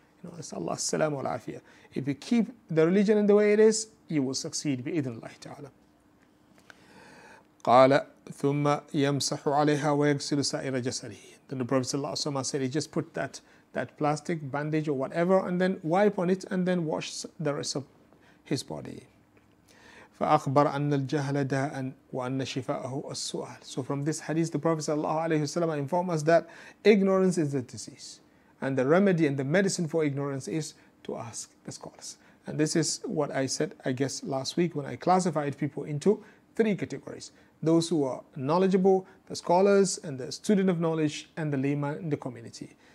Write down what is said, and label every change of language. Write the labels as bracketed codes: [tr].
[en] You know, it's Allah salam wa afiyah. If you keep the religion in the way it is, you will succeed bi-idhnillahi ta'ala. [ar] قَالَ ثُمَّ يَمْسَحُ عَلَيْهَا وَيَكْسِلُ سَائِرَ جَسَدِهِ. [en] Then the Prophet sallallahu alayhi wa sallam said, he just put that plastic bandage or whatever and then wipe on it and then wash the rest of his body. [ar] فأخبر أن الجهل داء وأن شفاءه السؤال. [en] So from this hadith, the Prophet sallallahu alayhi wa sallam informed us that ignorance is a disease. And the remedy and the medicine for ignorance is to ask the scholars. And this is what I said, I guess, last week when I classified people into three categories. Those who are knowledgeable, the scholars and the student of knowledge, and the layman in the community.